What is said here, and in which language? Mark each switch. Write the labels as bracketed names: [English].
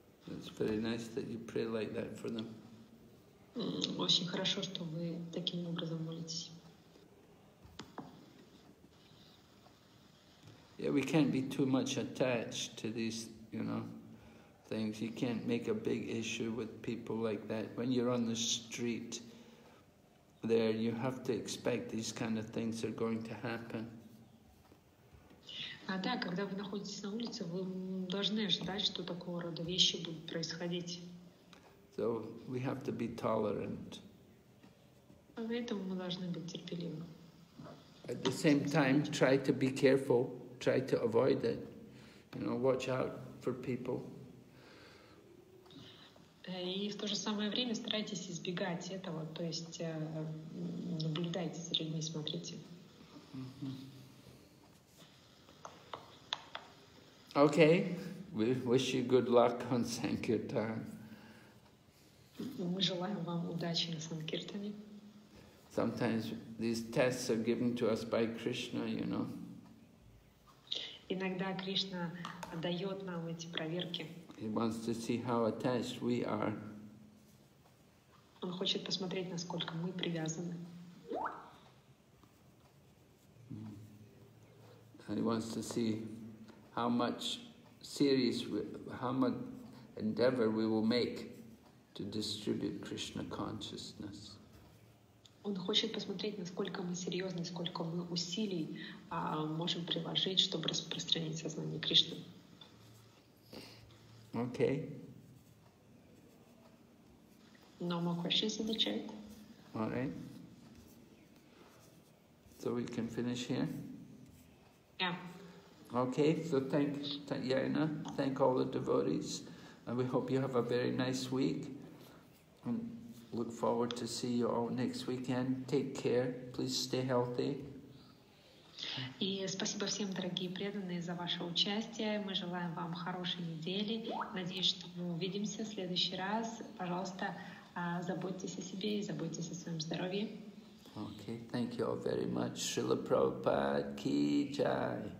[English] It's very nice that you pray like that for them. [Russian] Очень хорошо, что вы таким образом молитесь. [English] Yeah, we can't be too much attached to these, you know, things. You can't make a big issue with people like that. When you're on the street, there, you have to expect these kind of things are going to happen. [Russian] Да, когда вы находитесь на улице, вы должны ожидать, что такого рода вещи будут происходить. [English] So we have to be tolerant. [Russian] Поэтому мы должны быть терпеливы. [English] At the same time, try to be careful, try to avoid it. You know, watch out for people. [Russian] И в то же самое время старайтесь избегать этого, то есть наблюдайте за людьми, смотрите. [English] Okay. We wish you good luck on Sankirtan. [Russian] Мы желаем вам удачи на Санкиртане. [English] Sometimes these tests are given to us by Krishna, you know. [Russian] Иногда Кришна дает нам эти проверки. [English] He wants to see how attached we are. [Russian] Он хочет посмотреть, насколько мы привязаны. [English] And he wants to see how much serious, how much endeavor we will make to distribute Krishna consciousness. [Russian] Он хочет посмотреть, насколько мы серьезны, сколько мы усилий можем приложить, чтобы распространить сознание Кришны. [English] Okay. No more questions in the chat. All right. So we can finish here? Yeah. Okay, so thank Yaina, thank all the devotees, and we hope you have a very nice week. And look forward to see you all next weekend. Take care. Please stay healthy. [Russian] И спасибо всем, дорогие преданные, за ваше участие. Мы желаем вам хорошей недели. Надеюсь, что мы увидимся в следующий раз. Пожалуйста, заботьтесь о себе и заботьтесь о своем здоровье. [English] Okay, thank you all very much. Srila Prabhupada Ki Jai.